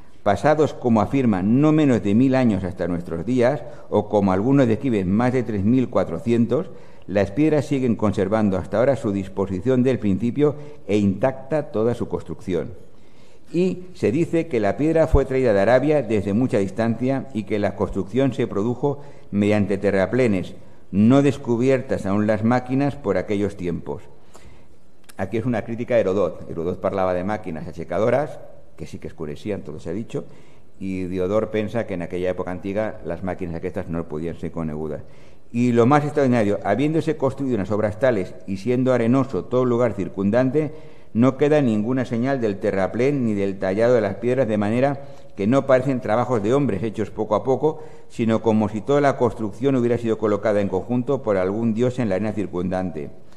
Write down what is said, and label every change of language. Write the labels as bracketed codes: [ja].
[es] Pasados, como afirman, no menos de 1.000 años hasta nuestros días, o como algunos describen, más de 3.400, las piedras siguen conservando hasta ahora su disposición del principio e intacta toda su construcción. Y se dice que la piedra fue traída de Arabia desde mucha distancia y que la construcción se produjo mediante terraplenes, no descubiertas aún las máquinas por aquellos tiempos. [ca] Aquí es una crítica a Herodot. Herodot parlava de màquines aixecadores, que sí que es coneixien, tot s'ha dit, i Diodor pensa que en aquella època antiga les màquines aquestes no podien ser conegudes. [es] Y lo más extraordinario, habiéndose construido unas obras tales y siendo arenoso todo lugar circundante, no queda ninguna señal del terraplén ni del tallado de las piedras, de manera que no parecen trabajos de hombres hechos poco a poco, sino como si toda la construcción hubiera sido colocada en conjunto por algún dios en la arena circundante.